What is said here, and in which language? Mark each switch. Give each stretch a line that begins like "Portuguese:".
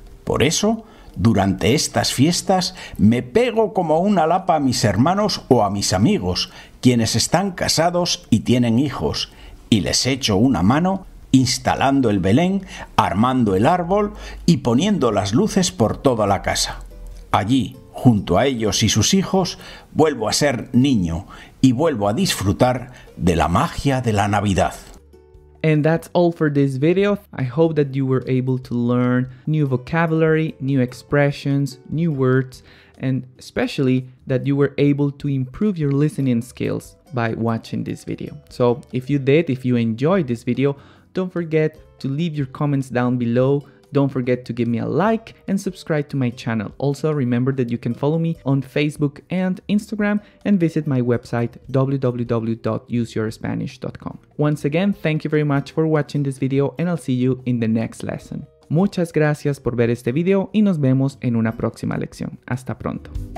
Spanish: Por eso, durante estas fiestas, me pego como una lapa a mis hermanos o a mis amigos, quienes están casados y tienen hijos, y les echo una mano instalando el Belén, armando el árbol y poniendo las luces por toda la casa. Allí, junto a ellos y sus hijos, vuelvo a ser niño y vuelvo a disfrutar de la magia de la Navidad.
English: And that's all for this video. I hope that you were able to learn new vocabulary, new expressions, new words, and especially that you were able to improve your listening skills by watching this video. So if you did, if you enjoyed this video, don't forget to leave your comments down below. Don't forget to give me a like and subscribe to my channel. Also, remember that you can follow me on Facebook and Instagram and visit my website www.useyourspanish.com. Once again, thank you very much for watching this video and I'll see you in the next lesson.
Spanish: Muchas gracias por ver este video y nos vemos en una próxima lección. Hasta pronto.